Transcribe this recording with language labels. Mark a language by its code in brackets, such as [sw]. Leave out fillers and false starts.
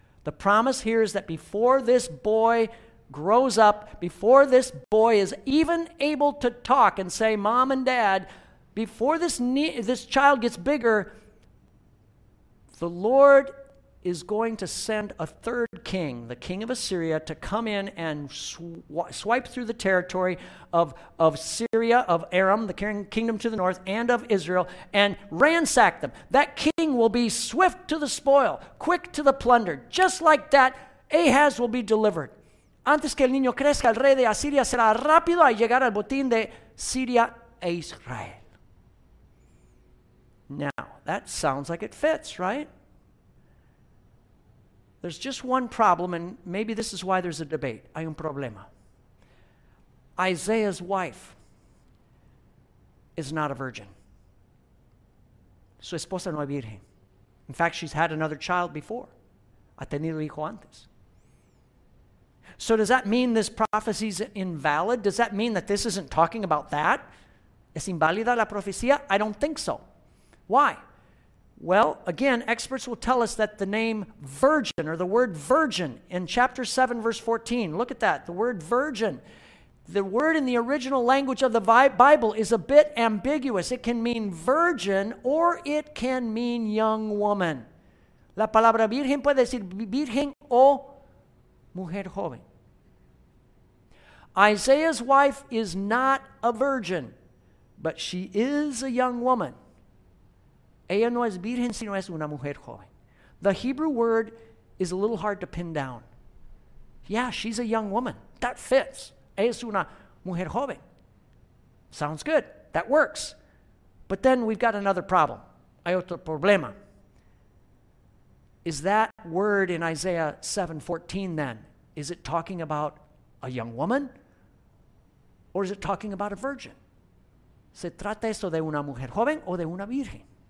[en] The promise here is that before this boy grows up, before this boy is even able to talk and say, Mom and Dad, before this child gets bigger, the Lord is going to send a third king, the king of Assyria, to come in and swipe through the territory of Syria, of Aram, the kingdom to the north, and of Israel, and ransack them. That king will be swift to the spoil, quick to the plunder. Just like that, Ahaz will be delivered. [es] Antes que el niño crezca, el rey de Asiria será rápido a llegar al botín de Siria e Israel. [en] Now, that sounds like it fits, right? There's just one problem, and maybe this is why there's a debate. [es] Hay un problema. [en] Isaiah's wife is not a virgin. [es] Su esposa no es virgen. [en] In fact, she's had another child before. [es] Ha tenido hijo antes. [en] So does that mean this prophecy's invalid? Does that mean that this isn't talking about that? [es] ¿Es inválida la profecía? [en] I don't think so. Why? Well, again, experts will tell us that the name virgin, or the word virgin, in chapter 7, verse 14, look at that, the word virgin. The word in the original language of the Bible is a bit ambiguous. It can mean virgin, or it can mean young woman. [es] La palabra virgen puede decir virgen o mujer joven. [en] Isaiah's wife is not a virgin, but she is a young woman. [es] Ella no es virgen, sino es una mujer joven. [en] The Hebrew word is a little hard to pin down. Yeah, she's a young woman. That fits. [es] Ella es una mujer joven. [en] Sounds good. That works. But then we've got another problem. [es] Hay otro problema. [en] Is that word in Isaiah 7:14 then, is it talking about a young woman? Or is it talking about a virgin? [es] ¿Se trata esto de una mujer joven o de una virgen?